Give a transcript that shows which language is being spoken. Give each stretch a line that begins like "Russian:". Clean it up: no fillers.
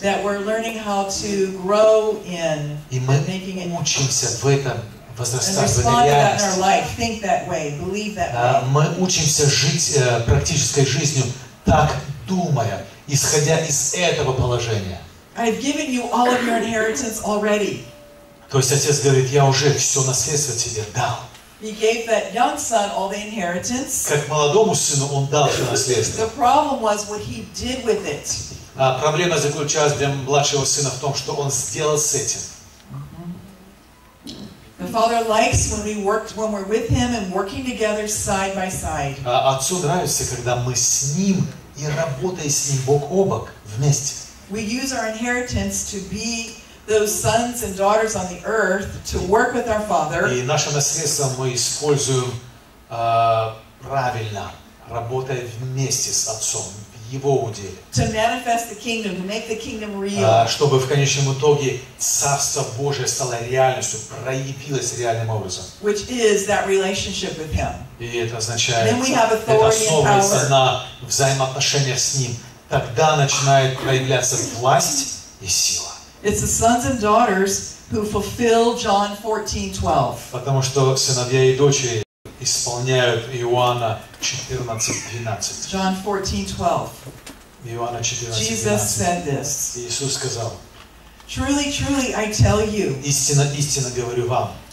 English: That we're learning how to grow in.
Russian: И мы учимся в этом. Возрастать,
English: and respond to that in our life. Think that way. Believe that way.
Russian: Мы учимся жить практической жизнью, так думая, исходя из этого положения.
English: I've given you all of your inheritance already.
Russian: То есть отец говорит, я уже все наследство тебе дал.
English: He gave that young son all the inheritance.
Russian: Как молодому сыну он дал все наследство.
English: The problem was what he did with it.
Russian: Проблема заключалась для младшего сына в том, что он сделал с этим.
English: The father likes when we work when we're with him and working together side by side.
Russian: Отцу нравится, когда мы с ним и работаем с ним бок о бок вместе.
English: We use our inheritance to be those sons and daughters on the earth to work with our father.
Russian: И наше наследство мы используем правильно, работая вместе с отцом в его уделе.
English: To manifest the kingdom, to make the kingdom real.
Russian: Чтобы в конечном итоге Царство Божие стало реальностью, проявилось реальным образом.
English: Which is that relationship with him.
Russian: И это означает, это основывается на взаимоотношениях с ним. Тогда начинает проявляться власть и сила.
English: It's the sons and daughters who fulfill John 14:12.
Russian: Потому что сыновья и дочери исполняют Иоанна 14:12.
English: John 14:12.
Russian: Иоанна 14:12.
English: Jesus said this.
Russian: Иисус сказал.
English: Truly, truly, I tell you.
Russian: Истинно, истинно говорю вам.